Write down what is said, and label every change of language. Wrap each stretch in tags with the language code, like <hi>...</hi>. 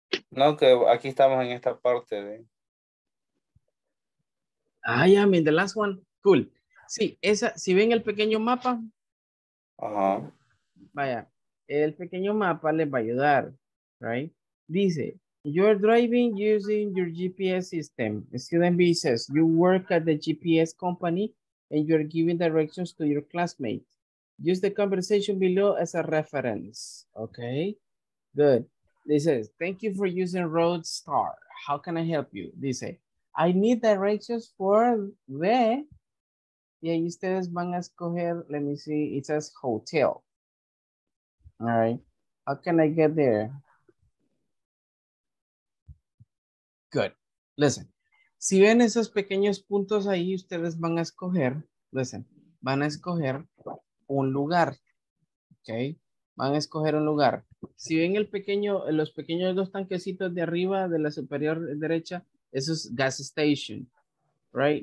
<es>No, que aquí estamos en esta parte de.</es> <en>The last one. Cool.</en> <es>Sí, esa, si ven el pequeño mapa. Ajá. Vaya, el pequeño mapa les va a ayudar.</es> <en>Right? Dice: You're driving using your GPS system. The student B says: You work at the GPS company. And you're giving directions to your classmate. Use the conversation below as a reference. Okay, good. This says, thank you for using Road Star. How can I help you? They say, I need directions for the,</en> <es>y ahí ustedes van a escoger,</es> <en>let me see, it says hotel. All right, how can I get there? Good, listen.</en> <es>Si ven esos pequeños puntos ahí, ustedes van a escoger, listen, van a escoger un lugar, ¿ok? Van a escoger un lugar. Si ven el pequeño, los pequeños dos tanquecitos de arriba, de la superior derecha, eso es gas station, right?</es>